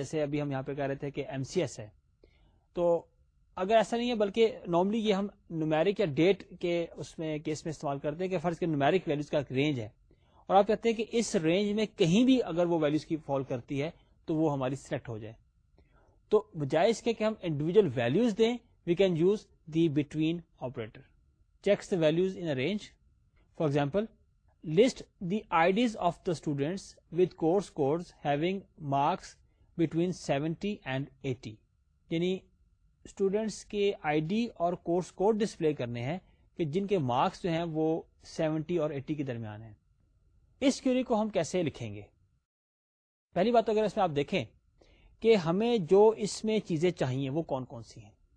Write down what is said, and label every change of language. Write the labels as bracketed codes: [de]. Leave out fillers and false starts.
[ur] جیسے ابھی ہم یہاں پہ کہہ رہے تھے کہ ایم سی ایس ہے, تو اگر ایسا نہیں ہے بلکہ نارملی یہ ہم نومیرک یا ڈیٹ کے اس میں کیس میں استعمال کرتے ہیں کہ فرض کے نومیرک ویلوز کا ایک رینج ہے, اور آپ کہتے ہیں کہ اس رینج میں کہیں بھی اگر وہ ویلوز کی فال کرتی ہے تو وہ ہماری سلیکٹ ہو جائے. تو بجائے اس کے کہ ہم انڈیویجل ویلوز دیں, [en] We can use the between operator. Checks the values in a range, for example list the IDs of the students with course codes having marks between 70 and 80. [ur] یعنی students کے I D اور course code display کرنے ہیں کہ جن کے marks جو ہیں وہ 70 اور 80 کے درمیان ہیں. اس کیوری کو ہم کیسے لکھیں گے؟ پہلی بات اگر اس میں آپ دیکھیں کہ ہمیں جو اس میں چیزیں چاہیے وہ کون کون سی ہیں.